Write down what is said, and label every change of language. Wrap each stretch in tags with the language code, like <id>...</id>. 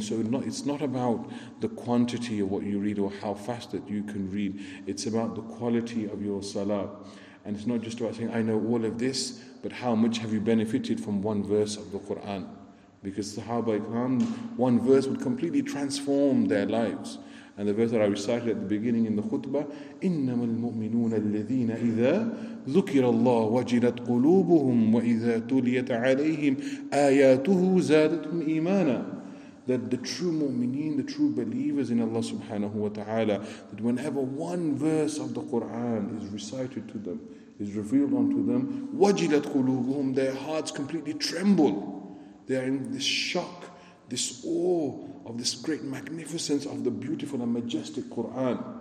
<en>So it's not about the quantity of what you read or how fast that you can read. It's about the quality of your salah. And it's not just about saying, I know all of this, but how much have you benefited from one verse of the Quran? Because Sahaba Ikram, one verse would completely transform their lives. And the verse that I recited at the beginning in the khutbah,</en> <ar>إِنَّمَا الْمُؤْمِنُونَ الَّذِينَ إِذَا ذُكِرَ اللَّهُ وَجِلَتْ قُلُوبُهُمْ وَإِذَا تُلِيَتْ عَلَيْهِمْ آيَاتُهُ زَادَتْهُمْ إِيمَانًا.</ar> <en>That the true mu'mineen, the true believers in Allah subhanahu wa ta'ala, that whenever one verse of the Qur'an is recited to them, is revealed unto them,</en> <ar>وَجِلَتْ قُلُوبُهُمْ,</ar> <en>their hearts completely tremble. They are in this shock, this awe of this great magnificence of the beautiful and majestic Qur'an.</en>